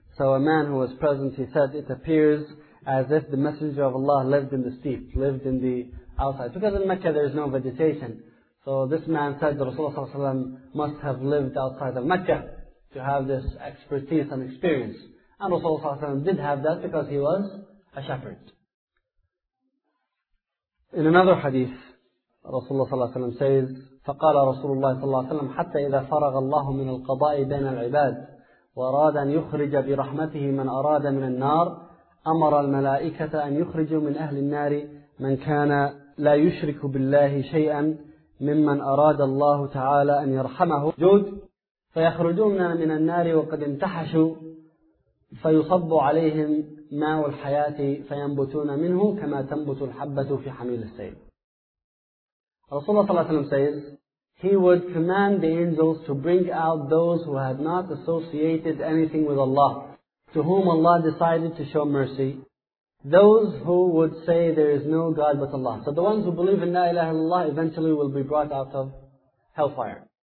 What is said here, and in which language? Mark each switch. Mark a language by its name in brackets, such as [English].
[English] So a man who was present, he said, it appears as if the Messenger of Allah lived in the steep, lived in the outside. Because in Mecca there is no vegetation. So this man said that Rasulullah ﷺ must have lived outside of Mecca to have this expertise and experience. And Rasulullah ﷺ did have that because he was a shepherd. In another hadith, Rasulullah ﷺ says, [Arabic] فَقَالَ رَسُولُ اللَّهِ صَلَّى اللَّهُ عَلَيْهِ وَسَلَّمَ حَتَّى إِذَا فَرَغَ اللَّهُ مِنَ الْقَضَاءِ بَيْنَ الْعِبَادِ وَرَادَ أَنْ يُخْرِجَ بِرَحْمَتِهِ مَنْ أَرَادَ مِنَ النَّارِ أَمَرَ الْمَلَائِكَةَ أَنْ يُخْرِجُوا مِنْ أَهْلِ النَّارِ مَنْ كَانَ لَا يُشْرِكُ بِاللَّهِ شَيْئًا مِمَّنْ أَرَادَ اللَّهُ تَعَالَى أَنْ يَرْحَمَهُ جُودٌ فيخرجون من النار وقد امتحشوا فيصب عليهم ماء الحياة فينبتون منه كما تنبت الحبة في حميل السيل. [English] Rasulullah [Arabic] صلى الله عليه وسلم [English] says, he would command the angels to bring out those who had not associated anything with Allah, to whom Allah decided to show mercy, those who would say there is no God but Allah. So the ones who believe in La ilaha illallah eventually will be brought out of hellfire.